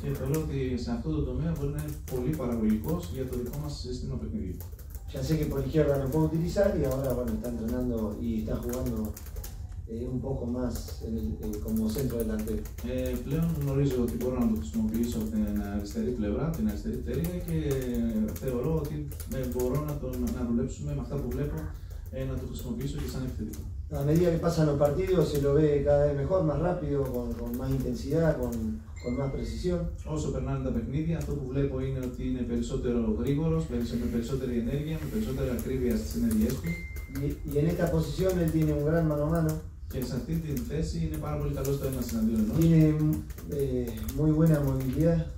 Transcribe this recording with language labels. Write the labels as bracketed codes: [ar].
[el] Και θεωρώ ότι σε αυτό το τομέα μπορεί να είναι πολύ παραγωγικός για το δικό μας σύστημα παιχνιδιού. [es] Ya sé que por izquierda no puedo utilizar y ahora bueno, está entrenando y está jugando un poco más como centro delantero. [el] Πλέον γνωρίζω ότι μπορώ να το χρησιμοποιήσω την αριστερή πλευρά, την αριστερή τέλεια και θεωρώ ότι μπορώ να δουλέψουμε με αυτά που βλέπω να το χρησιμοποιήσω και σαν επιθετικό. [es] A medida que pasan los partidos se lo ve cada vez mejor, más rápido, con más intensidad, con más precisión. [el] Όσο περνάνε τα παιχνίδια, αυτό που βλέπω είναι ότι είναι περισσότερο γρήγορος, με περισσότερη ενέργεια, με περισσότερη ακρίβεια στις ενέργειές του. [es] Y en esta posición él tiene un gran mano a mano. [el] Και σε αυτή την θέση είναι πάρα πολύ καλό στο ένα συναντήριο ενός. [es] Tiene muy buena movilidad.